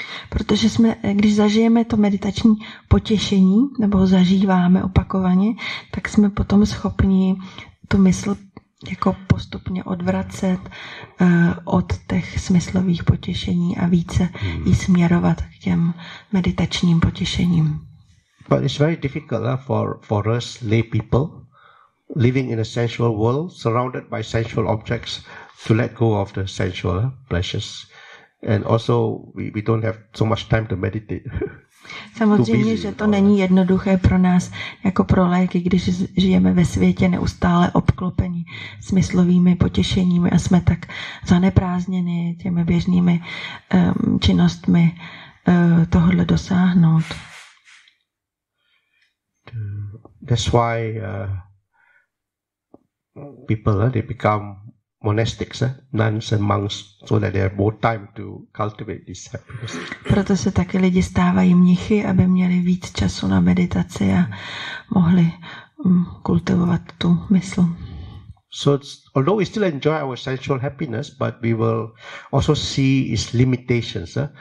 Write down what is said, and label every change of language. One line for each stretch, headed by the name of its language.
Czech: Protože jsme, když zažijeme to meditační potěšení, nebo zažíváme opakovaně, tak jsme potom schopni tu mysl jako postupně odvracet od těch smyslových potěšení a více jí směrovat k těm meditačním potěšením.
English: But it's very difficult for us lay people living in a sensual world, surrounded by sensual objects, to let go of the sensual pleasures. And also we don't have so much time to meditate.
Czech: Samozřejmě, že to není jednoduché pro nás jako pro laiky, když žijeme ve světě neustále obklopení smyslovými potěšeními a jsme tak zaneprázdněni těmi běžnými činnostmi tohle dosáhnout.
English: That's why people they become monastics, nuns and monks, so that they have more time to cultivate this happiness.
Czech: Proto se taky lidi stávají mnichy, aby měli víc času na meditaci a mohli kultivovat tu mysl.
English: So although we still enjoy our sensual happiness, but we will also see its limitations.